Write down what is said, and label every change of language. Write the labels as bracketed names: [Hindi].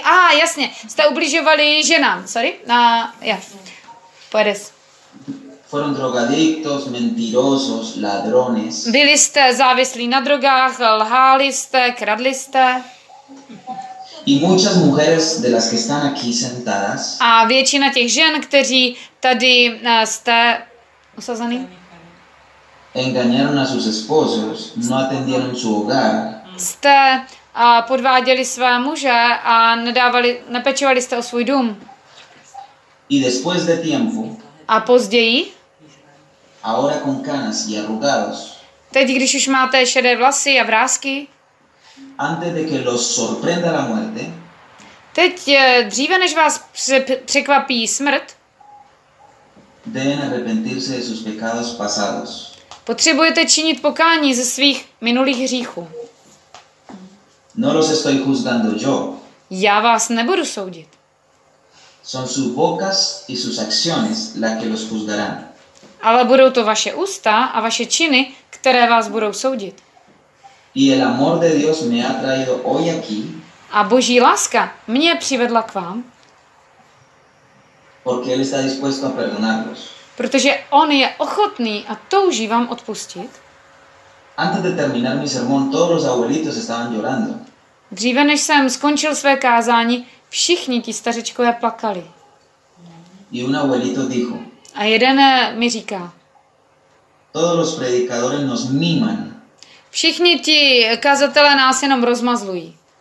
[Czech] A jasně, jste ubližovali ženám, sorry? A já. Pojedes. [Spanish] Fueron drogadictos, mentirosos, ladrones. [Czech] Byli jste závislí na drogách, lhali jste, kradli jste. [Spanish] Y muchas mujeres de las que están aquí sentadas. [Czech] A většina těch žen, kteří tady jste usazený. [Spanish] Engañaron a sus esposos, no atendieron su hogar. [Czech] Jste podváděli své muže a nepečovali jste o svůj dům. [Spanish] Y después de tiempo. [Czech] A později. [Spanish] Ahora con canas y arrugados. [Czech] Teď, když už máte šedé vlasy a vrásky. [Spanish] Antes de que los sorprenda la muerte. [Czech] Teď dříve, než vás překvapí smrt. [Spanish] Deben arrepentirse de sus pecados pasados. [Czech] Potřebujete činit pokání ze svých minulých hříchů. [Spanish] No los estoy juzgando yo. [Czech] Já vás nebudu soudit. [Spanish] Son sus bocas y sus acciones las que los juzgarán. [Czech] Ale budou to vaše ústa a vaše činy, které vás budou soudit. [Spanish] Y el amor de Dios me ha traído hoy aquí. [Czech] A Boží láska mě přivedla k vám. [Spanish] Porque él está dispuesto a perdonarlos. [Czech] Protože on je ochotný a touží vám odpustit. [Spanish] Antes de terminar mi sermón, todos los abuelitos estaban llorando. [Czech] Dříve než jsem skončil své kázání, všichni ti stařečkové plakali. [Spanish] Y un abuelito dijo. [Czech] A jeden mi říká. [Spanish] Todos los predicadores nos miman. [Czech] Všichni ti kazatelé nás jenom rozmazlují.